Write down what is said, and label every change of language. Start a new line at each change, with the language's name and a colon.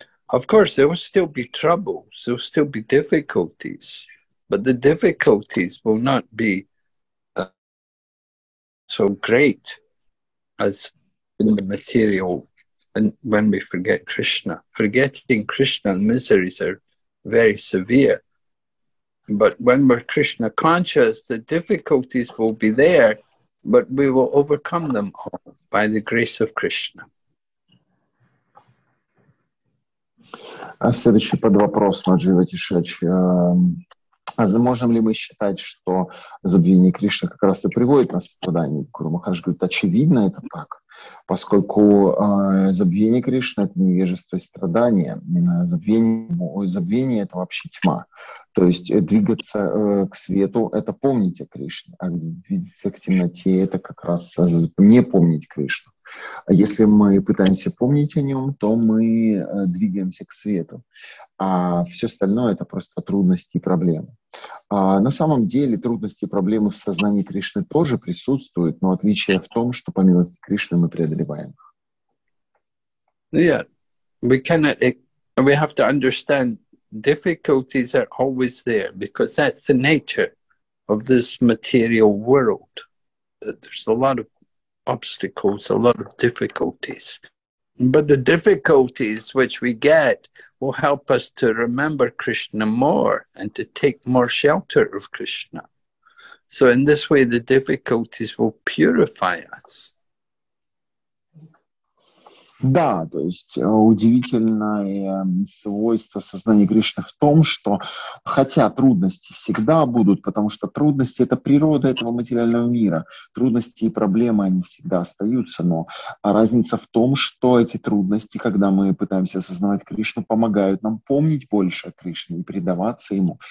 English: Of course, there will still be troubles, there will still be difficulties, but the difficulties will not be so great as in the material, and when we forget Krishna. Forgetting Krishna, miseries are very severe. But when we're Krishna conscious, the difficulties will be there, but we will overcome them all by the grace of Krishna.
Russian: Следующий под вопрос, Маджива Тишач. А можем ли мы считать, что забвение Кришны как раз и приводит нас к страданию? Гуру Махарадж говорит, очевидно, это так, поскольку забвение Кришны — это невежество и страдание. Забвение — это вообще тьма. То есть двигаться к свету — это помнить о Кришне, а двигаться к темноте — это как раз не помнить Кришну. Если мы пытаемся помнить о нем, то мы двигаемся к свету. А все остальное — это просто трудности и проблемы. А на самом деле трудности и проблемы в сознании Кришны тоже присутствуют, но отличие в том, что по милости Кришны мы преодолеваем их.
English: Yeah, we cannot. We have to understand difficulties are always there because that's the nature of this material world. There's a lot of obstacles, a lot of difficulties. But the difficulties which we get will help us to remember Krishna more and to take more shelter of Krishna. So in this way, the difficulties will purify us.
Russian: Да, то есть удивительное свойство сознания Кришны в том, что хотя трудности всегда будут, потому что трудности — это природа этого материального мира, трудности и проблемы, они всегда остаются, но разница в том, что эти трудности, когда мы пытаемся осознавать Кришну, помогают нам помнить больше о Кришне и предаваться Ему.